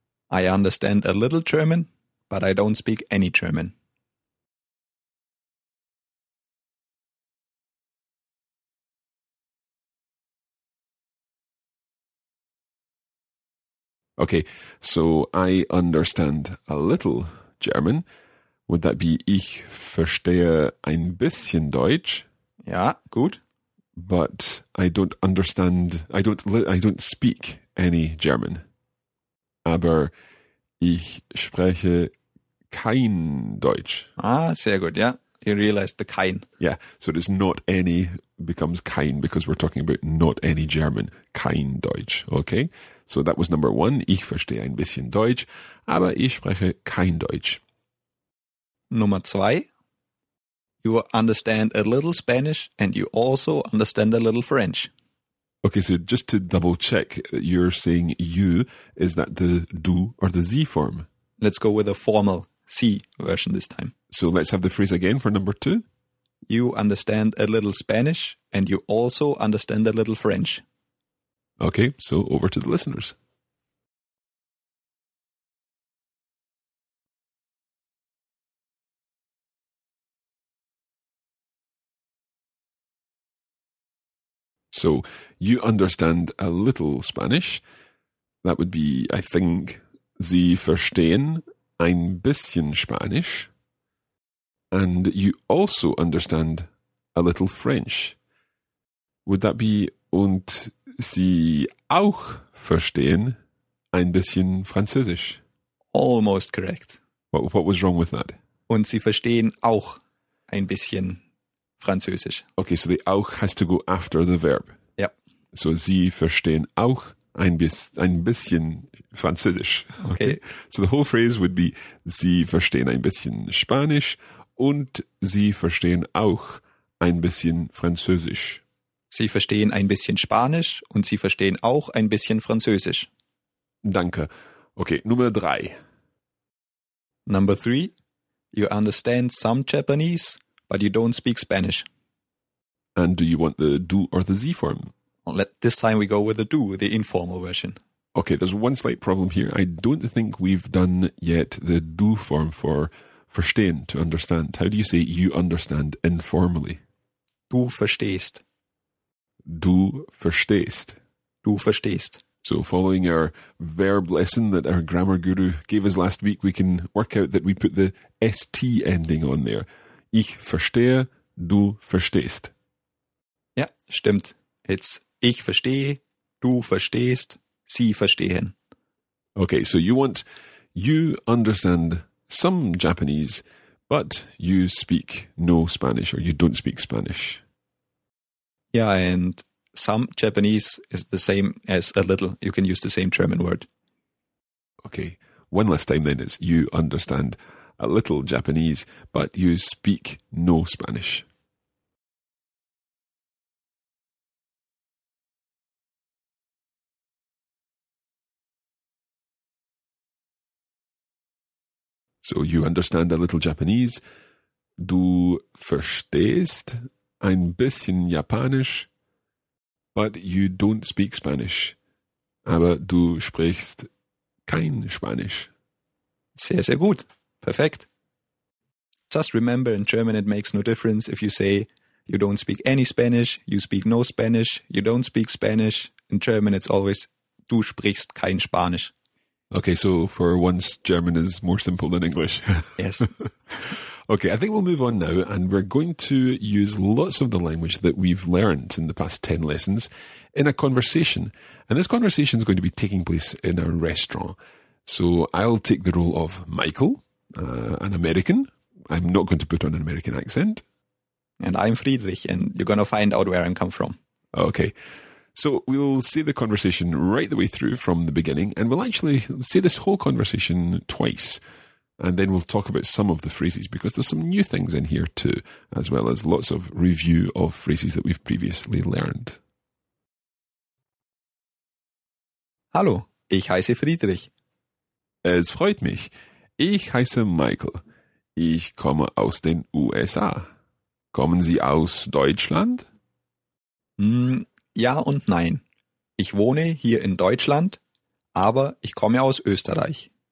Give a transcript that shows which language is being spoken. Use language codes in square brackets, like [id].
[en] I understand a little German, but I don't speak any German. Okay, so I understand a little German. Would that be [de] ich verstehe ein bisschen Deutsch? Ja, gut. [en] But I don't understand, I don't speak any German. [de] Aber ich spreche kein Deutsch. Ah, sehr gut, [en] yeah. You realized the kein. Yeah, so it is not any becomes kein because we're talking about not any German. [de] Kein Deutsch, [en] okay? So that was number one. [de] Ich verstehe ein bisschen Deutsch, aber ich spreche kein Deutsch. [en] Number two. You understand a little Spanish and you also understand a little French. Okay, so just to double check, you're saying you, is that the du or the sie form? Let's go with a formal sie version this time. So let's have the phrase again for number two. You understand a little Spanish and you also understand a little French. Okay, so over to the listeners. So, you understand a little Spanish. That would be, I think, [de] Sie verstehen ein bisschen Spanisch. [en] And you also understand a little French. Would that be, [de] und Sie auch verstehen ein bisschen Französisch? [en] Almost correct. What was wrong with that? [de] Und Sie verstehen auch ein bisschen Französisch. [en] Okay, so the auch has to go after the verb. Yep. [de] So Sie verstehen auch ein bisschen Französisch. [en] Okay. So the whole phrase would be [de] Sie verstehen ein bisschen Spanisch und Sie verstehen auch ein bisschen Französisch. Sie verstehen ein bisschen Spanisch und Sie verstehen auch ein bisschen Französisch. Danke. Okay, Nummer drei. [en] Number three. You understand some Japanese, but you don't speak Spanish. And do you want the du or the sie form? This time we go with the du, the informal version. Okay, there's one slight problem here. I don't think we've done yet the du form for verstehen, to understand. How do you say you understand informally? [de] Du verstehst. Du verstehst. Du verstehst. [en] So following our verb lesson that our grammar guru gave us last week, we can work out that we put the ST ending on there. [de] Ich verstehe, du verstehst. Ja, stimmt. It's ich verstehe, du verstehst, sie verstehen. [en] Okay, so you want, you understand some Japanese, but you speak no Spanish or you don't speak Spanish. Yeah, and some Japanese is the same as a little. You can use the same German word. Okay, one last time then. It's you understand a little Japanese, but you speak no Spanish. So you understand a little Japanese. [de] Du verstehst ein bisschen Japanisch, [en] but you don't speak Spanish. [de] Aber du sprichst kein Spanisch. Sehr, sehr gut. Perfekt. [en] Just remember, in German it makes no difference if you say you don't speak any Spanish, you speak no Spanish, you don't speak Spanish. In German it's always [de] du sprichst kein Spanisch. [en] Okay, so for once German is more simple than English. Yes. Okay, I think we'll move on now, and we're going to use lots of the language that we've learned in the past 10 lessons in a conversation. And this conversation is going to be taking place in a restaurant. So I'll take the role of Michael, an American. I'm not going to put on an American accent. And I'm Friedrich, and you're going to find out where I'm come from. Okay. So we'll see the conversation right the way through from the beginning, and we'll actually see this whole conversation twice. And then we'll talk about some of the phrases, because there's some new things in here too, as well as lots of review of phrases that we've previously learned. [de] Hallo, ich heiße Friedrich. Es freut mich. Ich heiße Michael. Ich komme aus den USA. Kommen Sie aus Deutschland? Ja und nein. Ich wohne hier in Deutschland, aber ich komme aus Österreich.